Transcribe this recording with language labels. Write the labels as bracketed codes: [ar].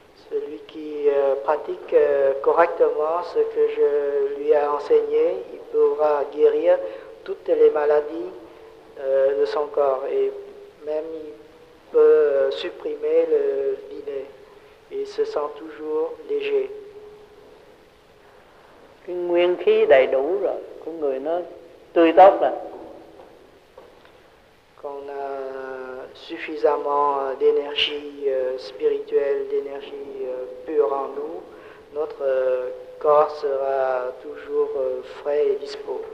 [fr] Celui qui pratique correctement ce que je lui ai enseigné, il pourra guérir toutes les maladies de son corps et même il peut supprimer le dîner. Il se sent toujours léger. [vi] Cái nguyên khí đầy đủ rồi, của người nó tươi tốt rồi. [fr] Qu'on a suffisamment d'énergie spirituelle, d'énergie pure en nous, notre corps sera toujours frais et dispo.